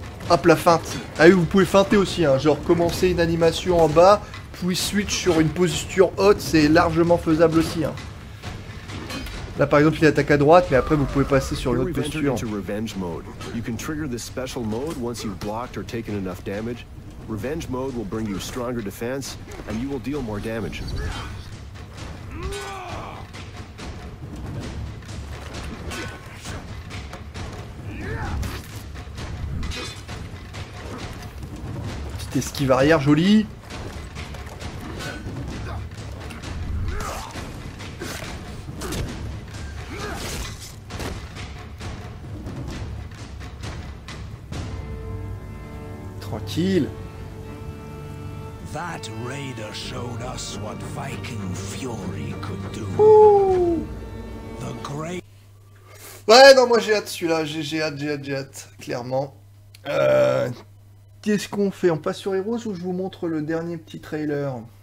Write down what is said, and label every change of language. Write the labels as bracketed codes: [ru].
[fr] Hop, la feinte. Ah oui, vous pouvez feinter aussi, hein. Genre commencer une animation en bas, puis switch sur une posture haute, c'est largement faisable aussi, hein. Là par exemple il attaque à droite, mais après vous pouvez passer sur l'autre posture. [en] Revenge mode. You can trigger this special mode once you've blocked or taken enough damage. Revenge mode will bring you stronger defense and you will deal more damage. [fr] Petite esquive arrière jolie. [en] That raider showed us what Viking Fury could do. The great... [fr] Ouais, non, moi j'ai hâte celui-là, j'ai hâte, clairement. Qu'est-ce qu'on fait? On passe sur Heroes ou je vous montre le dernier petit trailer?